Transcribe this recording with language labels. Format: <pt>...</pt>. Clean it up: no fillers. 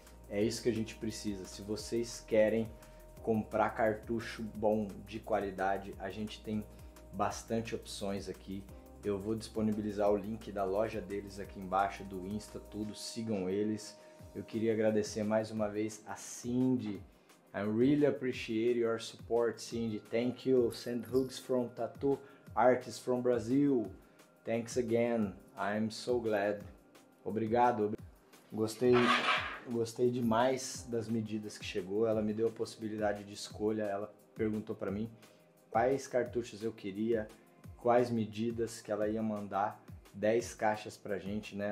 <pt>É isso que a gente precisa. Se vocês querem comprar cartucho bom, de qualidade, a gente tem bastante opções aqui. Eu vou disponibilizar o link da loja deles aqui embaixo, do Insta, tudo. Sigam eles. Eu queria agradecer mais uma vez a Cindy.</pt> <en>I really appreciate your support, Cindy. Thank you. Send hugs from tattoo artists from Brazil. Thanks again, I'm so glad.</en> <pt>Obrigado. Gostei demais das medidas que chegou. Ela me deu a possibilidade de escolha. Ela perguntou para mim quais cartuchos eu queria, quais medidas que ela ia mandar 10 caixas pra gente, né?</pt>